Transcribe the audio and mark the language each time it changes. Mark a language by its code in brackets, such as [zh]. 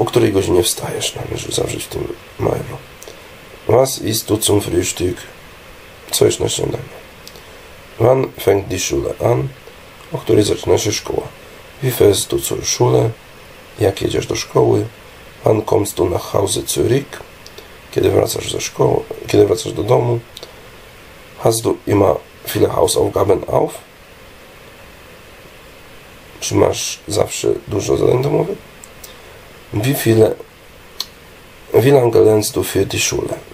[pl] O której godzinie wstajesz? Należy zawrzeć w tym mailu. [de] Was ist du zum Frühstück? [pl] Co jest na śniadanie? [de] Wann fängt die Schule an? [pl] O której zaczyna się szkoła? [de] Wie fährst du zur Schule? [pl] Jak jedziesz do szkoły? [de] Wann kommst du nach Hause zurück? [pl] Kiedy wracasz ze szkoły? Kiedy wracasz do domu? [de] Hast du immer viele Hausaufgaben auf? [pl] Czy masz zawsze dużo zadań domowych? [de] Wie viele? Wie lange lernst du für die Schule?